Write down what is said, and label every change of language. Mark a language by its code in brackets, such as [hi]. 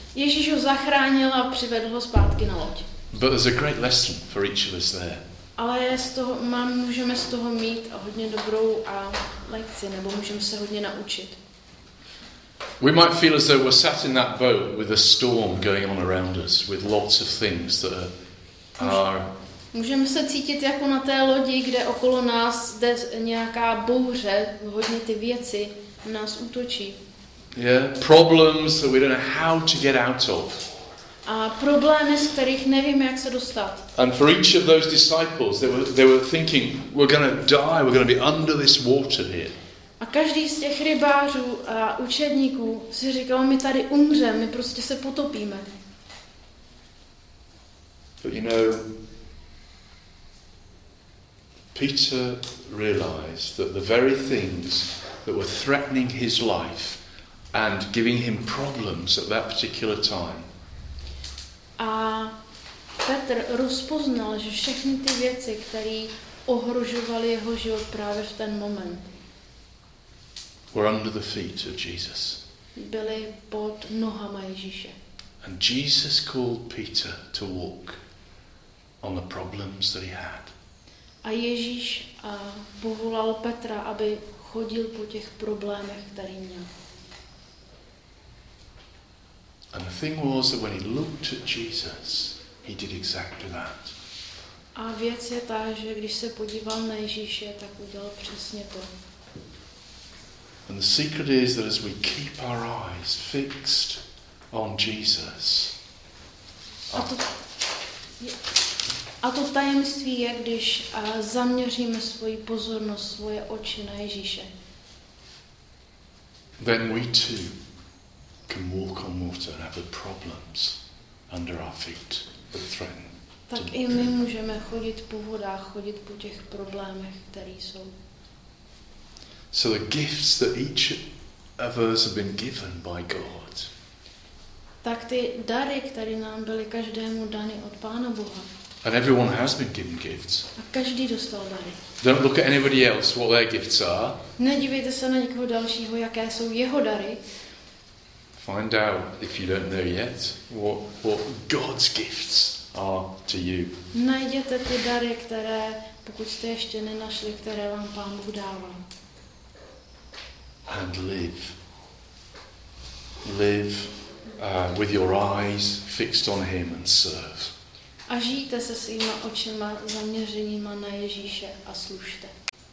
[cs] Ježíš ho zachránil a přivedl ho zpátky na loď. [en] But there's a great lesson for each of us there. [cs] Ale z toho můžeme z toho mít hodně dobrou a lekci, nebo můžeme se hodně naučit. [en] We might feel as though we're sat in that boat with a storm going on around us, with lots of things that are. [cs] Můžeme se cítit jako na té lodi, kde okolo nás jde nějaká bouře, hodně ty věci nás útočí. [en] Yeah, problems that we don't know how to get out of. [cs] A problémy, z kterých nevím, jak se dostat. [en] And for each of those disciples, they were thinking, we're going to die, we're going to be under this water here. [cs] A každý z těch rybářů a učedníků si říkal, my tady umřeme, my prostě se potopíme. [en] But you know, Peter realized that the very things that were threatening his life and giving him problems at that particular time. [cs] A Petr rozpoznal, že všechny ty věci, které ohrožovaly jeho život právě v ten moment, [en] were under the feet of Jesus. [cs] Byly pod nohama Ježíše. [en] And Jesus called Peter to walk on the problems that he had. [cs] A Ježíš povolal Petra, aby chodil po těch problémech, které měl. [en] And the thing was that when he looked at Jesus, he did exactly that. [cs] A věc je ta, že když se podíval na Ježíše, tak udělal přesně to. [en] And the secret is that as we keep our eyes fixed on Jesus. [cs] A to tajemství je, když zaměříme svoji pozornost, svoje oči na Ježíše. [en] Then we too can walk on water and have the problems under our feet that threaten. [cs] Tak i my můžeme chodit po vodách, chodit po těch problémech, které jsou. [en] So the gifts that each of us have been given by God. [cs] Tak ty dary, které nám byly každému dany od Pána Boha. [en] And everyone has been given gifts. [cs] A každý dostal dary. [en] Don't look at anybody else what their gifts are. [cs] Nedívejte se na někoho dalšího, jaké jsou jeho dary. [en] Find out if you don't know yet what God's gifts are to you. [cs] Najděte ty dary, které pokud jste ještě nenašli, které vám Pán Bůh dává. [en] And live with your eyes fixed on him and serve. [cs] A žijte se svýma očima zaměřenýma na Ježíše a služte.